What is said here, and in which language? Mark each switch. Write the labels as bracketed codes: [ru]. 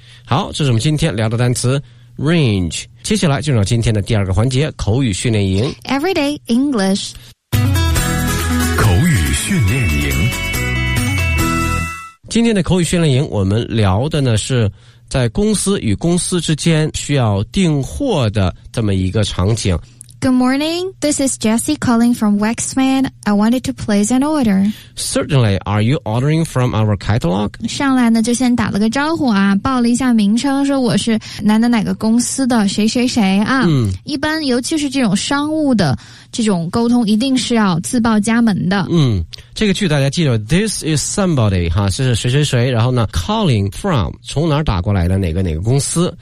[zh] 好，这是我们今天聊的单词 range。接下来进入到今天的第二个环节，口语训练营 [en] Everyday English。 [zh] 口语训练营，今天的口语训练营我们聊的呢是在公司与公司之间需要订货的这么一个场景。 [en] Good morning, this is Jesse calling from Waxman. I wanted to place an order. Certainly, are you ordering from our catalog? [zh] 上来呢就先打了个招呼啊，报了一下名称，说我是哪哪哪个公司的谁谁谁啊。嗯，一般尤其是这种商务的这种沟通一定是要自报家门的。嗯，这个句大家记住， [en] This is somebody [zh] 哈，这是谁谁谁，然后呢 calling from 从哪儿打过来的哪个哪个公司。